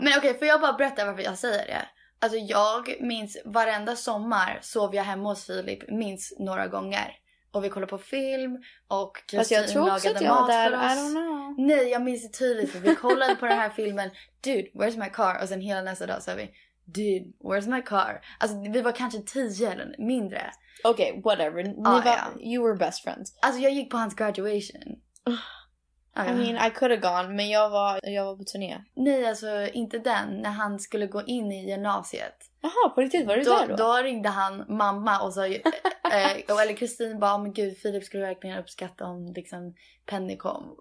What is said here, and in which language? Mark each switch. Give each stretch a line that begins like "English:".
Swedish: Men okej, får jag bara berätta varför jag säger det? Alltså jag minns varenda sommar sov jag hemma hos Filip minst några gånger. Och vi kollade på film och Kristin lagade mat för oss. Alltså jag tror också att jag var där,
English: I don't know.
Swedish: Nej, jag minns det tydligt för vi kollade på den här filmen.
English: Dude, where's my car?
Swedish: Och sen hela nästa dag sa vi...
English: Dude, where's my car?
Swedish: Alltså, vi var kanske 10 eller mindre.
English: Okej, okay, whatever.
Swedish: Ni var,
English: you were best friends.
Swedish: Alltså, jag gick på hans graduation.
English: I mean, I could have gone,
Swedish: men jag var på turné. Nej, alltså inte den, när han skulle gå in i gymnasiet. Jaha, på riktigt, var det då, där då? Då ringde han mamma och sa, eller Kristin bara, men gud, Filip skulle verkligen uppskatta om liksom Penny kom.